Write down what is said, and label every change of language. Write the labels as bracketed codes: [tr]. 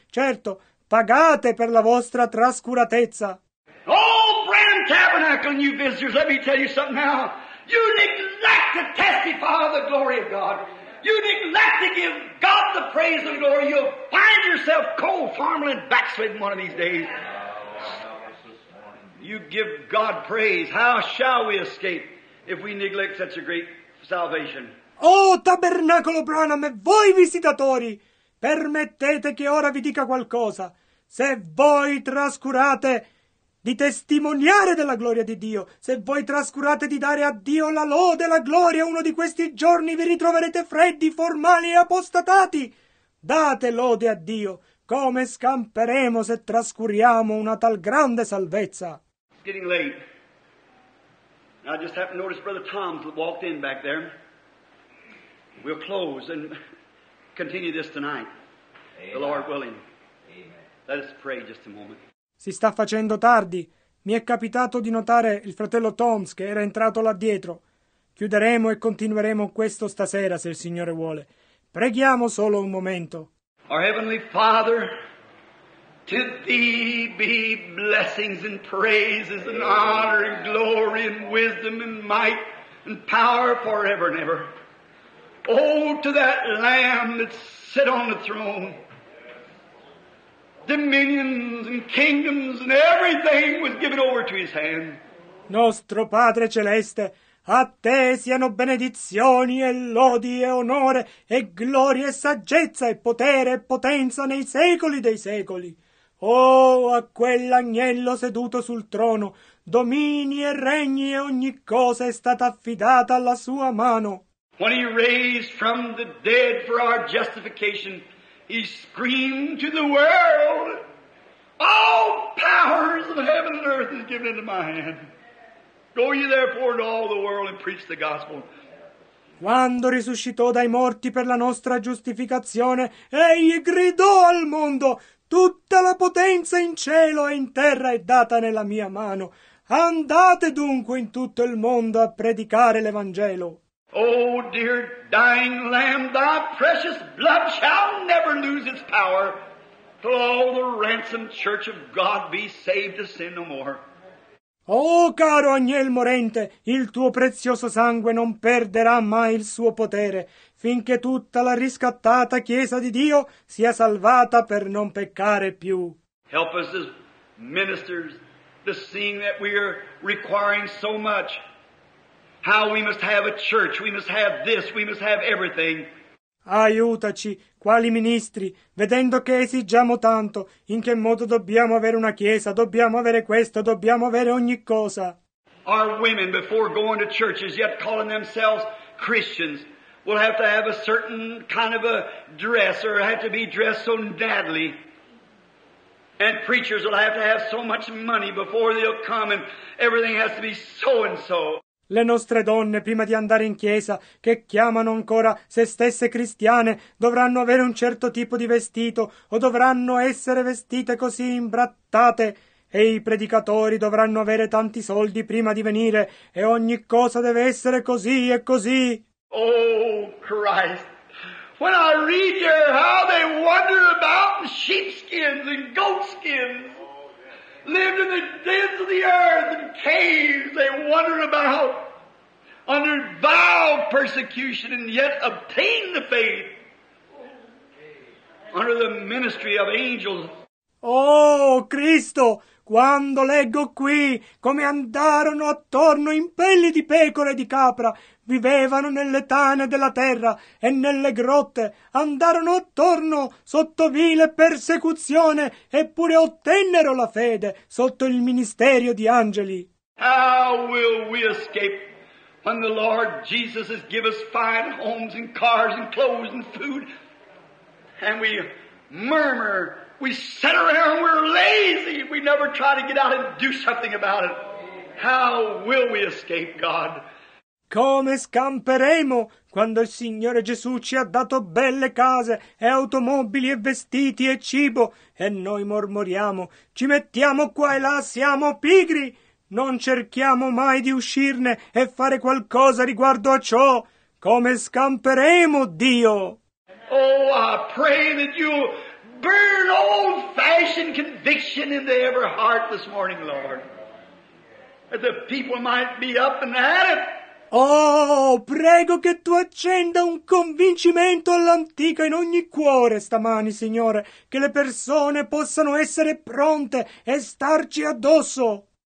[it] Certo, pagate per la vostra trascuratezza. [en] Oh, Branham Tabernacle, new visitors, let me tell you something now. You neglect to testify of the glory of God. You neglect to give God the praise and glory. You'll find yourself cold, farmland, and backslidden one of these days. You give God praise. How shall we escape if we neglect such a great salvation? [it] Oh, tabernacolo Branham, e voi visitatori, permettete che ora vi dica qualcosa. Se voi trascurate di testimoniare della gloria di Dio, se voi trascurate di dare a Dio la lode, la gloria, uno di questi giorni vi ritroverete freddi, formali e apostatati. Date lode a Dio. Come scamperemo se trascuriamo una tal grande salvezza? [en] It's getting late. I just happened to notice Brother Tom walked in back there. We'll close and continue this tonight. Amen. The Lord willing. Amen. Let us pray just a moment. [it] Si sta facendo tardi. Mi è capitato di notare il fratello Toms che era entrato là dietro. Chiuderemo e continueremo questo stasera, se il Signore vuole. Preghiamo solo un momento. [en] Our Heavenly Father, to Thee be blessings and praises and honor and glory and wisdom and might and power forever and ever. Oh, to that Lamb that sit on the throne. Dominions and kingdoms and everything was given over to His hand. [it] Nostro Padre Celeste, a Te siano benedizioni e lodi e onore e gloria e saggezza e potere e potenza nei secoli dei secoli. Oh, a quell'agnello seduto sul trono, domini e regni e ogni cosa è stata affidata alla Sua mano. [en] When He raised from the dead for our justification, He screamed to the world, all powers of heaven and earth is given into my hand. Go ye therefore into all the world and preach the gospel. [it] Quando risuscitò dai morti per la nostra giustificazione, egli gridò al mondo, tutta la potenza in cielo e in terra è data nella mia mano. Andate dunque in tutto il mondo a predicare l'Evangelo. [en] Oh, dear dying Lamb, Thy precious blood shall never lose its power till all the ransomed church of God be saved to sin no more. [it] Oh, caro agnel morente, il tuo prezioso sangue non perderà mai il suo potere finché tutta la riscattata Chiesa di Dio sia salvata per non peccare più. [en] Help us as ministers to see that we are requiring so much. How we must have a church, we must have this, we must have everything. [it] Aiutaci, quali ministri, vedendo che esigiamo tanto, in che modo dobbiamo avere una chiesa, dobbiamo avere questo, dobbiamo avere ogni cosa. [en] Our women, before going to churches, yet calling themselves Christians, will have to have a certain kind of a dress, or have to be dressed so badly. And preachers will have to have so much money before they'll come, and everything has to be so and so. [it] Le nostre donne, prima di andare in chiesa, che chiamano ancora se stesse cristiane, dovranno avere un certo tipo di vestito o dovranno essere vestite così imbrattate. E i predicatori dovranno avere tanti soldi prima di venire e ogni cosa deve essere così e così. [en] Oh, Christ! When I read here how they wander about in sheepskins and goatskins, lived in the dens of the earth and caves, they wandered about under vile persecution and yet obtained the faith under the ministry of angels. [it] Oh, Cristo, quando leggo qui come andarono attorno in pelli di pecore e di capra, vivevano nelle tane della terra e nelle grotte, andarono attorno sotto vile persecuzione, eppure ottennero la fede sotto il ministero di angeli. [en] How will we escape when the Lord Jesus has given us fine homes and cars and clothes and food, and we murmur, we sit around, we're lazy, we never try to get out and do something about it? How will we escape God? [it] Come scamperemo quando il Signore Gesù ci ha dato belle case e automobili e vestiti e cibo, e noi mormoriamo, ci mettiamo qua e là, siamo pigri, non cerchiamo mai di uscirne e fare qualcosa riguardo a ciò? Come scamperemo Dio? [en] Oh, I pray that you burn old-fashioned conviction into every heart this morning, Lord, that the people might be up and at it. [it] Oh, prego che tu accenda un convincimento all'antica in ogni cuore stamani, Signore, che le persone possano essere pronte e starci addosso.